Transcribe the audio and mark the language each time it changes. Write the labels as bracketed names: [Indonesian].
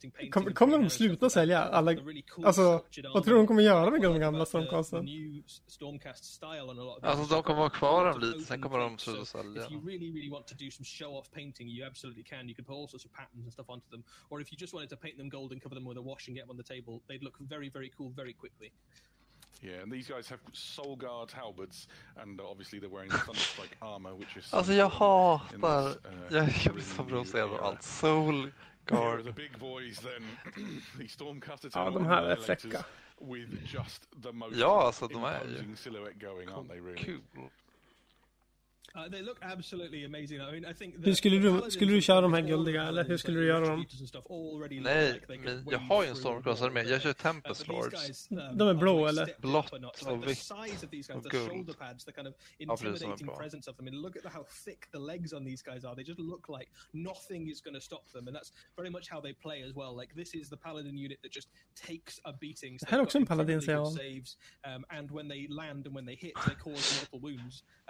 [Swedish] Kommer de sluta sälja alla, alltså vad tror de kommer göra med de gamla Stormcasten? Alltså de kommer vara kvar en lite, sen kommer de sluta sälja. [English] If you really want to do some show off painting, you absolutely can. You could put all sorts of patterns and stuff onto them, or if you just wanted to paint them gold and cover them with a wash and get them on the table, they'd look very very cool very quickly. Yeah, and these guys have soul guard halberds, and obviously they're wearing thunderstrike armor, which is. [Swedish] Alltså jag hatar. Jag blir så provocerad av allt. [English] Soul guard. The big boys then. The Stormcasters. [Swedish] Ja, de här är fräcka. [English] With just the most. [Swedish] Ja, alltså de är ju. [English] Silhouette going, aren't they really? Cool. They look absolutely amazing. I mean, I think. [Swedish] Skulle du köra de här guldiga, eller hur skulle du göra dem? Nej, men jag har ju en stormcrossare med. Jag kör Tempest Lords. De är blå, eller? Blått och vitt och guld. Ja, för det som är bra. [English] I mean, look at how thick the legs on these guys are. They just look like nothing is going to stop them, and that's very much how they play as well. Like this is the paladin unit that just takes a beating. [Swedish] Det här är också en paladin, säger hon. [English] And when they land and when they hit, they cause multiple wounds.